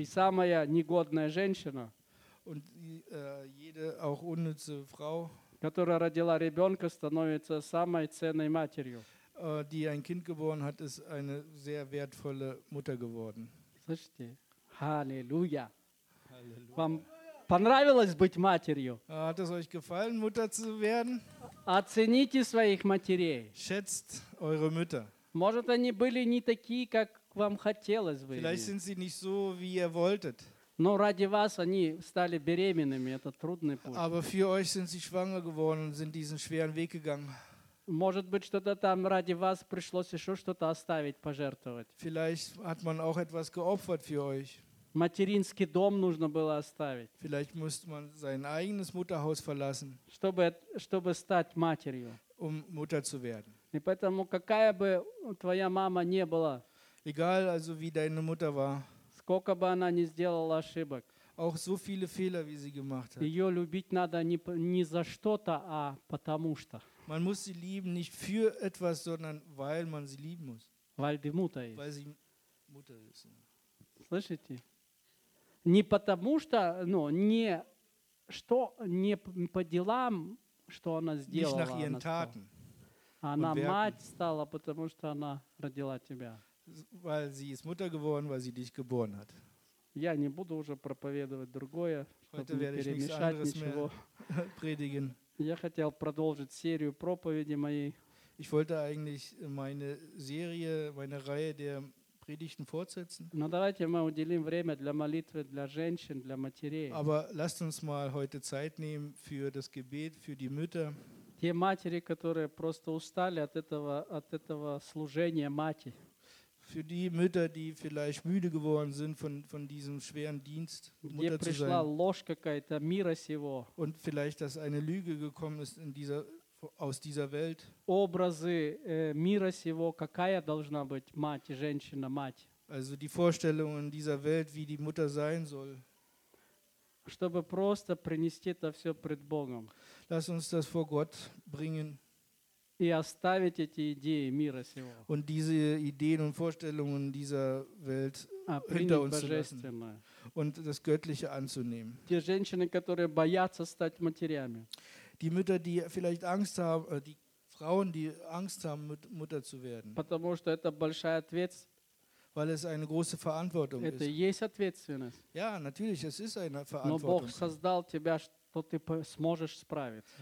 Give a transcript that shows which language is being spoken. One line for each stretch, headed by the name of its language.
Russian: И самая негодная женщина.
German: Und jede auch unnütze Frau,
Russian: которая родила ребенка, становится самой ценной матерью.
German: Die ein Kind geboren hat, ist eine sehr wertvolle Mutter geworden.
Russian: Слышите? Halleluja. Вам понравилось быть матерью?
German: Hat es euch gefallen, Mutter zu werden?
Russian: Оцените своих матерей.
German: Schätzt eure Mütter.
Russian: Может, они были не такие, как вам хотелось бы.
German: Vielleicht sind sie nicht so, wie ihr wolltet.
Russian: Но ради вас они стали беременными. Это трудный путь.
German: Aber für euch sind sie schwanger geworden und sind diesen schweren Weg gegangen.
Russian: Может быть, что-то там ради вас пришлось еще что-то оставить, пожертвовать.
German: Vielleicht hat man auch etwas geopfert für euch.
Russian: Материнский дом нужно было оставить.
German: Vielleicht musste man sein eigenes Mutterhaus verlassen.
Russian: Чтобы стать матерью.
German: Um Mutter zu werden.
Russian: И поэтому, какая бы твоя мама не была.
German: Egal, also wie deine Mutter war.
Russian: Сколько бы она не сделала ошибок.
German: Auch so viele Fehler, wie sie gemacht hat.
Russian: Ее любить надо не за что-то, а потому что.
German: Man muss sie lieben, nicht für etwas, sondern weil man sie lieben muss. Weil die Mutter ist. Weil sie Mutter ist.
Russian: Слышите? Не потому что, ну, не что, не по делам, что она сделала.
German: Nicht nach ihren Taten.
Russian: Она мать стала, потому что она родила тебя.
German: Weil sie ist Mutter geworden, weil sie dich geboren hat.
Russian: Я не буду уже проповедовать другое, чтобы не перемешать ничего.
German: Predigen.
Russian: Я хотел продолжить серию проповеди моей.
German: Ich wollte eigentlich meine Serie, meine Reihe der Predigten fortsetzen.
Russian: Но давайте мы уделим время для молитвы для женщин, для матерей.
German: Aber lasst uns mal heute Zeit nehmen für das Gebet für die Mütter.
Russian: Те матери, которые просто устали от этого служения матери.
German: Für die Mütter, die vielleicht müde geworden sind von diesem schweren Dienst, Mutter zu sein. Und vielleicht, dass eine Lüge gekommen ist aus dieser Welt.
Russian: Образы мира сего, какая должна быть мать, женщина, мать.
German: Also die Vorstellungen dieser Welt, wie die Mutter sein soll.
Russian: Чтобы просто принести это все пред Богом.
German: Lass uns das vor Gott bringen.
Russian: И оставить эти идеи мира сего.
German: Und diese Ideen und Vorstellungen dieser Welt hinter uns zu lassen. Und das Göttliche anzunehmen.
Russian: Те женщины, которые боятся стать матерями.
German: Die Mütter, die vielleicht Angst haben, die Frauen, die Angst haben, Mutter zu werden.
Russian: Потому что это большая ответственность.
German: Weil es eine große Verantwortung
Russian: это
German: ist.
Russian: Есть ответственность.
German: Ja, natürlich, es ist eine Verantwortung.
Russian: Но Бог создал тебя, что ты сможешь справиться.